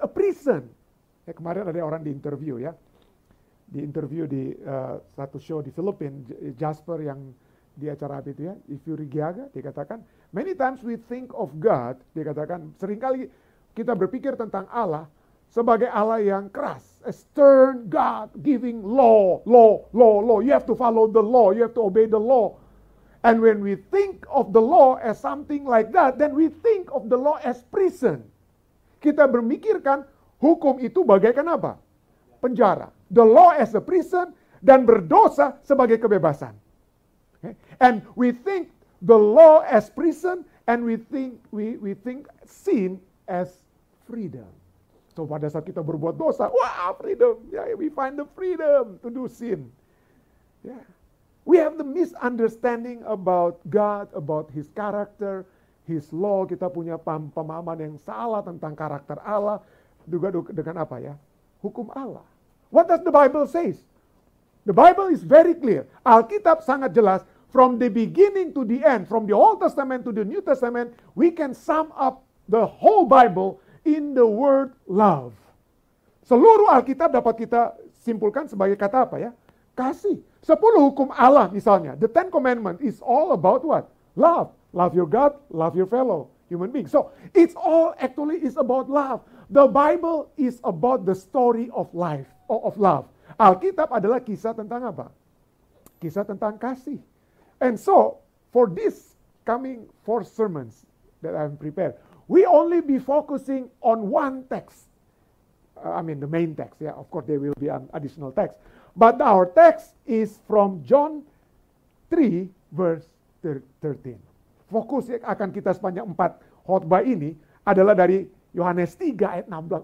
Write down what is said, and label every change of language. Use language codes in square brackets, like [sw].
[en] A prison. [id] Ya, kemarin ada orang diinterview di satu show di Filipina, Jasper yang di acara itu ya, Ifurigiaga, dia katakan, [en] many times we think of God, [id] dia katakan, seringkali kita berpikir tentang Allah sebagai Allah yang keras, [en] a stern God giving law, law, [id] law, law. [en] You have to follow the law, you have to obey the law. And when we think of the law as something like that, then we think of the law as prison. [id] Kita memikirkan hukum itu bagaikan apa? Penjara. [en] The law as a prison [id] dan berdosa sebagai kebebasan. [en] Okay? And we think the law as prison and we think sin as freedom. So [id] pada saat kita berbuat dosa, wah [en] freedom, yeah, we find the freedom to do sin. Yeah. We have the misunderstanding about God, about his character, his law. [id] Kita punya pemahaman yang salah tentang karakter Allah. Juga dengan apa ya? Hukum Allah. [en] What does the Bible says? The Bible is very clear. [id] Alkitab sangat jelas. [en] From the beginning to the end, from the Old Testament to the New Testament, we can sum up the whole Bible in the word love. [id] Seluruh Alkitab dapat kita simpulkan sebagai kata apa ya? Kasih. 10 hukum Allah misalnya. [en] The Ten Commandments is all about what? Love. Love your God, love your fellow human being. So it's all actually is about love. The Bible is about the story of life, or of love. [id] Alkitab adalah kisah tentang apa? Kisah tentang kasih. [en] And so for this coming 4 sermons that I'm prepared, we only be focusing on one text. The main text. Yeah, of course, there will be an additional text. But our text is from John 3, verse 13. [id] Fokus yang akan kita sepanjang 4 khotbah ini adalah dari Yohanes 3, ayat 16.